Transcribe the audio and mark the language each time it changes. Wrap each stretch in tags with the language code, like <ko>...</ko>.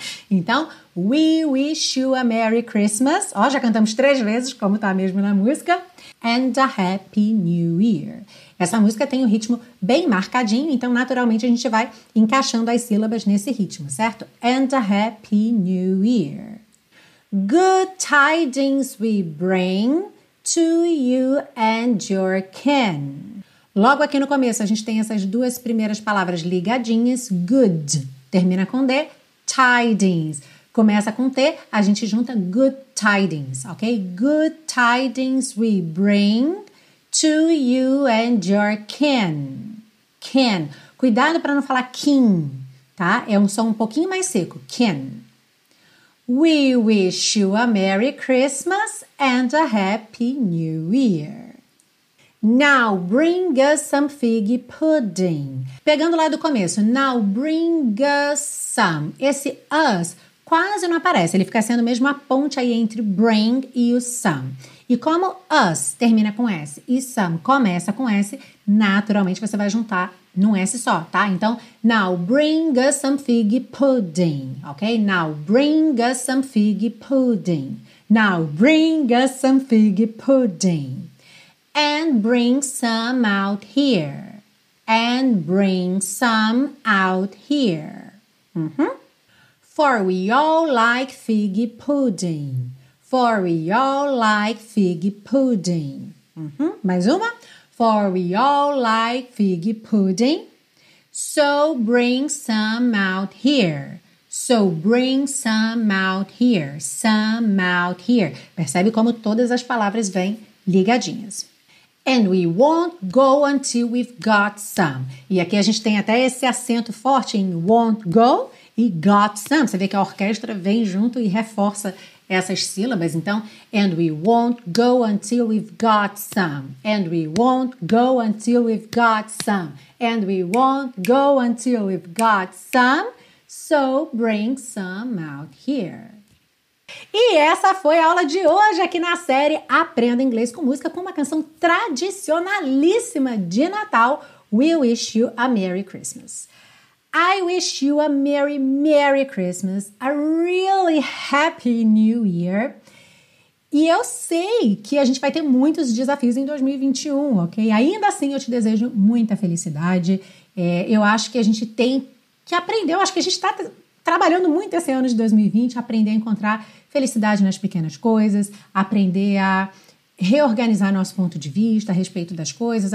<en>Então, we wish you a Merry Christmas.</en> <pt>Ó, já cantamos três vezes, como tá mesmo na música.</pt> <en>And a Happy New Year.</en> <pt>Essa música tem um ritmo bem marcadinho, então naturalmente a gente vai encaixando as sílabas nesse ritmo, certo?</pt> <en>And a Happy New Year. Good tidings we bring to you and your kin.</en> <pt>Logo aqui no começo, a gente tem essas duas primeiras palavras ligadinhas. Good, termina com D. Tidings, começa com T. A gente junta good tidings, ok?</pt> <en>Good tidings we bring to you and your kin. Kin.</en> <pt>Cuidado para não falar kin, tá? É um som um pouquinho mais seco.</pt> <en>Kin. We wish you a Merry Christmas and a Happy New Year. Now bring us some fig pudding.</en> <pt>Pegando lá do começo,</pt> <en>now bring us some.</en> <pt>Esse us quase não aparece. Ele fica sendo mesmo a ponte aí entre bring e o some. E como us termina com S e some começa com S, naturalmente você vai juntar num S só, tá?</pt> <en>Então, now bring us some fig pudding, ok? Now bring us some fig pudding. Now bring us some fig pudding. And bring some out here. And bring some out here. Mm-hmm. For we all like figgy pudding. For we all like figgy pudding. Mm-hmm.</en> <pt>Mais uma.</pt> <en>For we all like figgy pudding. So bring some out here. So bring some out here. Some out here.</en> <pt>Percebe como todas as palavras vêm ligadinhas.</pt> <en>And we won't go until we've got some.</en> <pt>E aqui a gente tem até esse acento forte em won't go e got some. Você vê que a orquestra vem junto e reforça essas sílabas, então.</pt> <en>And we won't go until we've got some. And we won't go until we've got some. And we won't go until we've got some. So bring some out here.</en> <pt>E essa foi a aula de hoje aqui na série Aprenda Inglês com Música, com uma canção tradicionalíssima de Natal, We Wish You a Merry Christmas.</pt> <en>I wish you a merry, merry Christmas, a really happy new year.</en> <pt>E eu sei que a gente vai ter muitos desafios em 2021, ok? Ainda assim, eu te desejo muita felicidade. Eu acho que a gente tem que aprender, eu acho que a gente está trabalhando muito esse ano de 2020, aprender a encontrar felicidade nas pequenas coisas, aprender a reorganizar nosso ponto de vista a respeito das coisas.</pt>